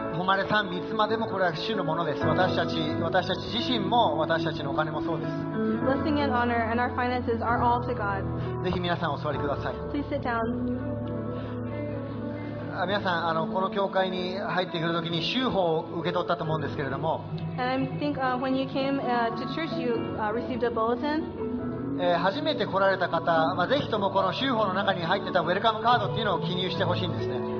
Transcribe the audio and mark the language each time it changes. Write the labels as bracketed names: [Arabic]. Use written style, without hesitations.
[Japanese] まれ賛美、いつまでもこれは主のものです。私たち自身も、私たちのお金もそうです。 [English] Blessing and honor and our finances are all to God. [Japanese] ぜひ皆さんお座りください。 [English] Please sit down. [Japanese] 皆さん、この教会に入ってくるときに修法を受け取ったと思うんですけれども。 [English] And I think, when you came, to church, you, received a bulletin. [Japanese] 初めて来られた方、ぜひともこの修法の中に入ってたウェルカムカードっていうのを記入してほしいんですね。